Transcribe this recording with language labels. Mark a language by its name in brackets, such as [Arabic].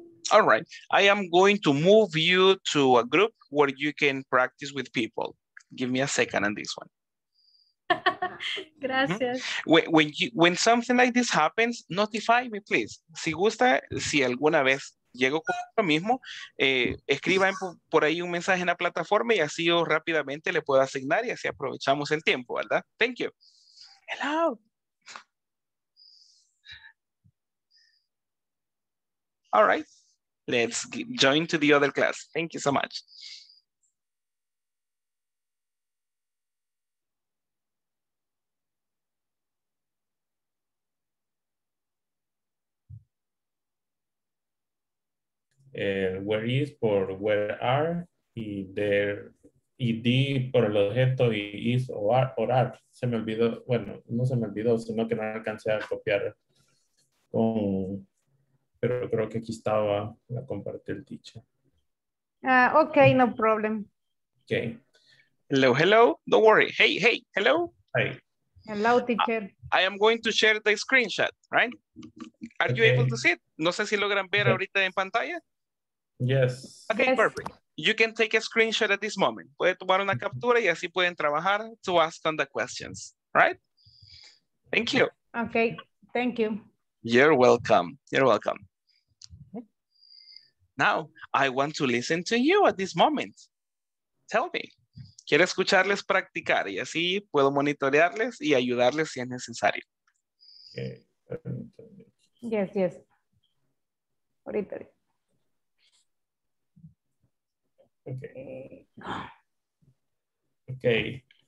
[English] All right, I am going to move you to a group where you can practice with people. Give me a second on this one. [Spanish] Gracias. [English] When something like this happens, notify me, please. [Spanish] Si gusta, si alguna vez llego con lo mismo, escriba por ahí un mensaje en la plataforma y así yo rápidamente le puedo asignar y así aprovechamos el tiempo, ¿verdad? [English] Thank you. Hello. All right. Let's join to the other class. Thank you so much. [Spanish] Where is por where are y there y di por el objeto y is or are. Se me olvidó, bueno, no se me olvidó, sino que no alcancé a copiar con. Pero creo que aquí estaba, la compartió el teacher. [English] Ok, no problem. Ok. Hello, hello, don't worry. Hey, hey, hello. Hi. Hello, teacher. I am going to share the screenshot, right? Are okay. You able to see it? [Spanish] No sé si logran ver ahorita en pantalla. [English] Yes. Ok, yes. Perfect. You can take a screenshot at this moment. [Spanish] Puede tomar una captura y así pueden trabajar [English] to ask them the questions, right? Thank you. Ok, thank you. You're welcome. You're welcome. Now, I want to listen to you at this moment. Tell me. [Spanish] Quiero escucharles practicar y así puedo monitorearles y ayudarles si es necesario. [English] Okay. Yes, yes. [Spanish] Ahorita. [English] Okay.